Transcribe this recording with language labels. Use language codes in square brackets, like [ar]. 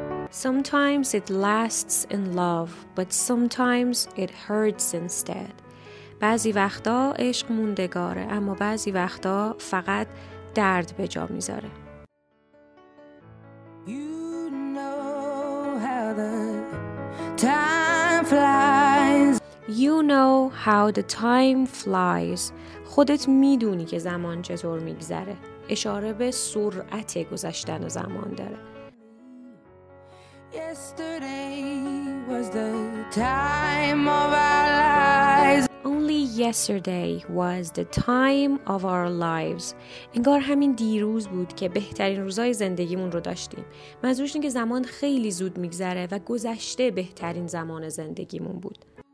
[en] Sometimes it lasts in love, but sometimes it hurts instead. [fa] بعضی وقتا عشق موندگاره، اما بعضی وقتا فقط درد به جا میذاره. [en] You know how the time flies. You know how the time flies. [fa] خودت میدونی که زمان چطور میگذره. اشاره به سرعت گذشتن زمان داره. [en] Yesterday was the time of our lives. Only yesterday was the time of our lives. [fa] انگار همین دیروز بود که بهترین روزای زندگیمون رو داشتیم. منظورش اینه که زمان خیلی زود میگذره و گذشته بهترین زمان زندگیمون بود.